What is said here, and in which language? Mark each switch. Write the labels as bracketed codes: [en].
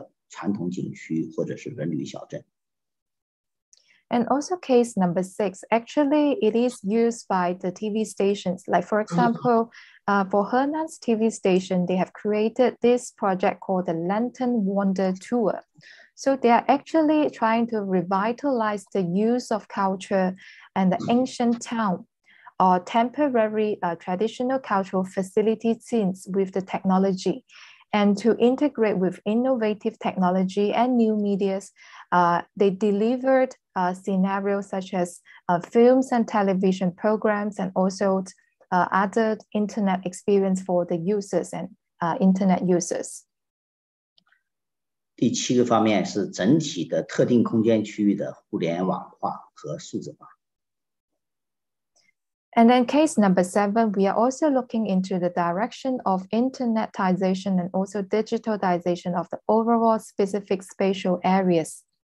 [zh] 影视节目借体或者是互联网企业，比如说天猫啊，是吧？来进行一个跨界融合的创新，来复兴赋能这个传统景区或者是文旅小镇。 [en] And also case number six, actually it is used by the TV stations. Like for example, for Henan's TV station, they have created this project called the Lantern Wonder Tour. So they are actually trying to revitalize the use of culture and the ancient town or temporary traditional cultural facility scenes with the technology and to integrate with innovative technology and new medias. They delivered scenarios such as films and television programs and also added internet experience for the users and internet users. [zh] 第七个方面是整体的特定空间区域的互联网化和数字化。 [en] And then case number seven, we are also looking into the direction of internetization and also digitalization of the overall specific spatial areas.